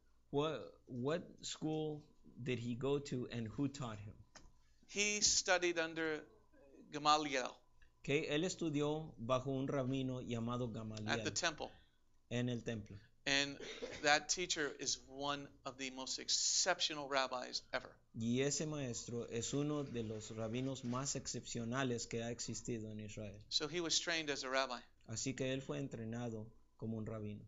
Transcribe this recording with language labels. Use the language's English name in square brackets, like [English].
[English] What school did he go to and who taught him? He studied under Gamaliel. [Spanish] Okay, él estudió bajo un rabino llamado Gamaliel. [English] At the temple. [Spanish] En el templo. [English] And that teacher is one of the most exceptional rabbis ever. [Spanish] Y ese maestro es uno de los rabinos más excepcionales que ha existido en Israel. [English] So he was trained as a rabbi. [Spanish] Así que él fue entrenado como un rabino.